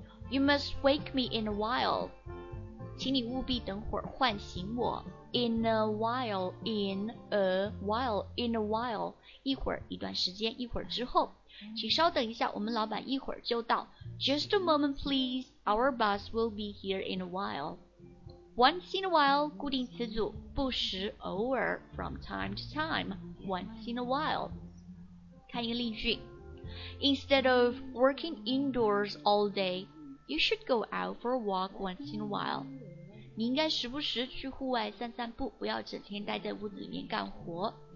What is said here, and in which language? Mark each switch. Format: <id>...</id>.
<en>You must wake me in a while.</en> <zh>请你务必等会儿唤醒我。</zh> <en>In a while, in a while, in a while.</en> <zh>一会儿，一段时间，一会儿之后。请稍等一下，我们老板一会儿就到。</zh> <en>Just a moment, please. Our boss will be here in a while. Once in a while,</en> <zh>固定词组，不时，偶尔，</zh> <en>from time to time. Once in a while.</en> <zh>看一个例句。</zh> <en>Instead of working indoors all day, you should go out for a walk once in a while.</en> <zh>你应该时不时去户外散散步，不要整天待在屋子里面干活。</zh>